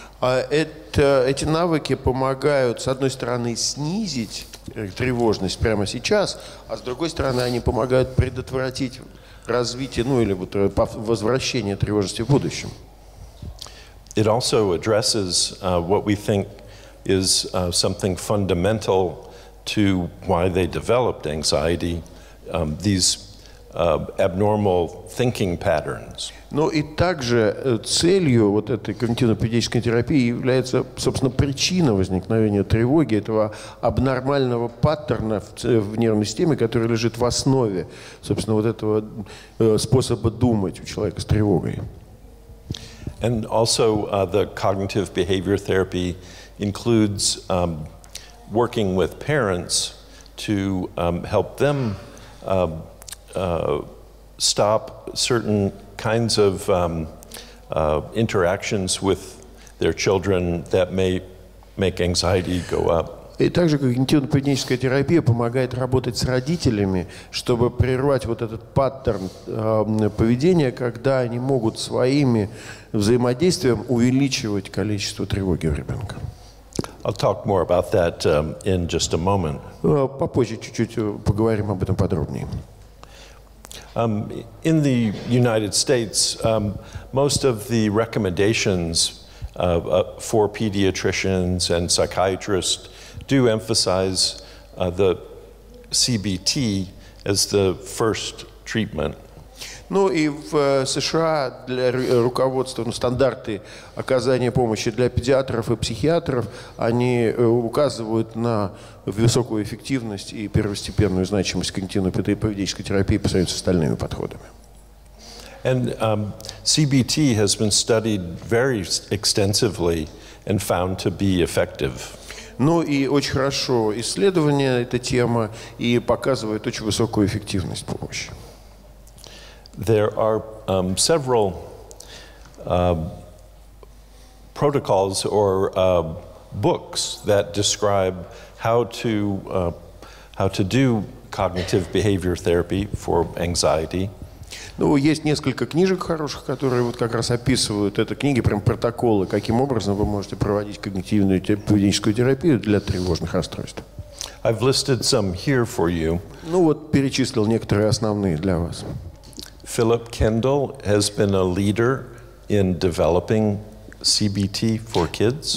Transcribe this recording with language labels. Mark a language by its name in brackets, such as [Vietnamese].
[Russian] Эти навыки помогают, с одной стороны, снизить тревожность прямо сейчас, а с другой стороны, они помогают предотвратить развитие, ну или вот возвращение тревожности в будущем. [English] It also addresses what we think is something fundamental to why they developed anxiety, these abnormal thinking patterns. [Russian] Но и также целью вот этой когнитивно-поведенческой терапии является, собственно, причина возникновения тревоги, этого абнормального паттерна в нервной системе, который лежит в основе, собственно, вот этого способа думать у человека с тревогой. [English] And also the cognitive behavior therapy includes working with parents to help them stop certain kinds of interactions with their children that may make anxiety go up. [Russian] И также когнитивно-поведенческая терапия помогает работать с родителями, чтобы прервать вот этот паттерн поведения, когда они могут своими взаимодействием увеличивать количество тревоги у ребенка. [English] I'll talk more about that in just a moment. [Russian] Попозже чуть-чуть поговорим об этом подробнее. [English] In the United States, most of the recommendations for pediatricians and psychiatrists do emphasize the CBT as the first treatment. [Russian] Ну и в США для руководства, ну, стандарты оказания помощи для педиатров и психиатров, они указывают на высокую эффективность и первостепенную значимость когнитивно-питательной поведенческой терапии по сравнению с остальными подходами. [English] And CBT has been studied very extensively and found to be effective. [Russian] Ну и очень хорошо исследование эта тема и показывает очень высокую эффективность помощи. [English] There are several protocols or books that describe how to do cognitive behavior therapy for anxiety. [Russian] Ну, есть несколько книжек хороших, которые вот как раз описывают это, книги, прям протоколы, каким образом вы можете проводить когнитивную поведенческую терапию для тревожных расстройств. [English] I've listed some here for you. [Russian] Ну, вот перечислил некоторые основные для вас. [English] Philip Kendall has been a leader in developing CBT for kids.